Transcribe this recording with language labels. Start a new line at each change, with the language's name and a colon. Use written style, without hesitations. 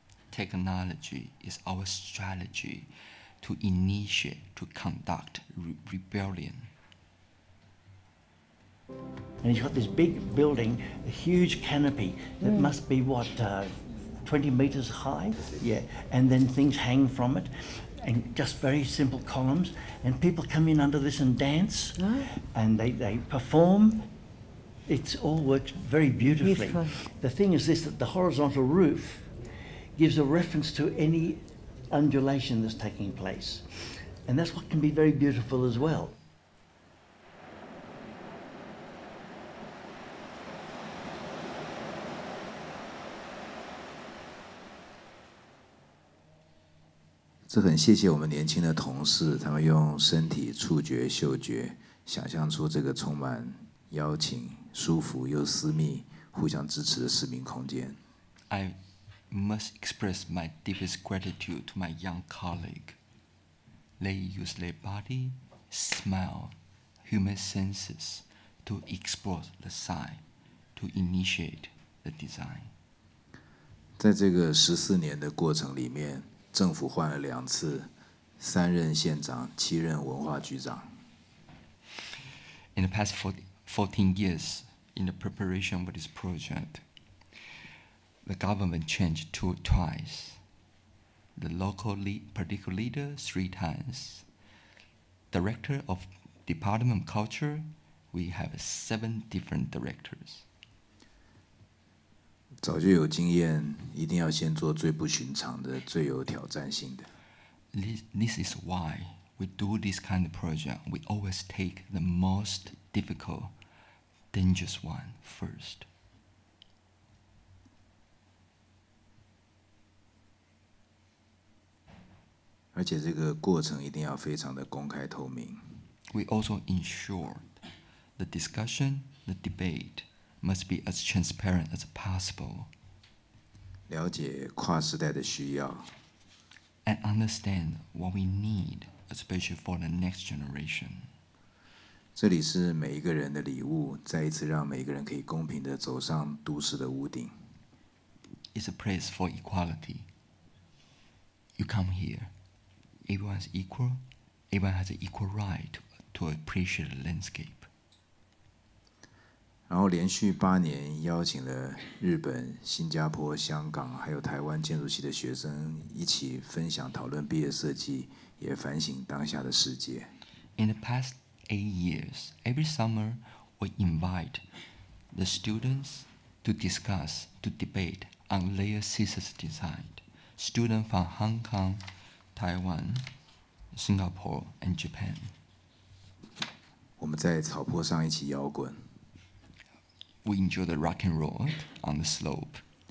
English: Technology is our strategy to initiate, to conduct rebellion. And you've got this big building, a huge canopy that must be what, 20 meters high? Yeah, and then things hang from it. And just very simple columns, and people come in under this and dance, and they perform. It all works very beautifully. Beautiful. The thing is this, that the horizontal roof gives a reference to any undulation that's taking place. And that's what can be very beautiful as well.
Chinese: 这很谢谢我们年轻的同事，他们用身体、触觉、嗅觉，想象出这个充满邀请、舒服又私密、互相支持的市民空间。
English: I must express my deepest gratitude to my young colleague. They use their body, smell, human senses to explore the site, to initiate the design.
Chinese: 在这个十四年的过程里面。政府换了两次，三任县长，七任文化局长。
English: In the past 14 years, in the preparation of this project, the government changed twice. The local political leader, three times. Director of Department of Culture, we have seven different directors.
Chinese: 早就有经验，一定要先做最不寻常的、最有挑战性的。
English: This is why we do this kind of project. We always take the most difficult, dangerous one first.
Chinese: 而且这个过程一定要非常的公开透明。
English: We also ensure the discussion, the debate. Must be as transparent as possible.
Chinese: 了解跨世代的需要
English: and understand what we need, especially for the next generation.
Chinese: 这里是每一个人的礼物，再一次让每一个人可以公平地走上都市的屋顶
English: It's a place for equality. You come here, everyone's equal. Everyone has an equal right to appreciate the landscape.
Chinese: 然后连续八年邀请了日本、新加坡、香港，还有台湾建筑系的学生一起分享讨论毕业设计，也反省当下的世界。
English: In the past 8 years, every summer we invite the students to discuss, to debate on their thesis design. Students from Hong Kong, Taiwan, Singapore, and Japan.
Chinese: 我们在草坡上一起摇滚。
English: We enjoy the rock and roll on the slope.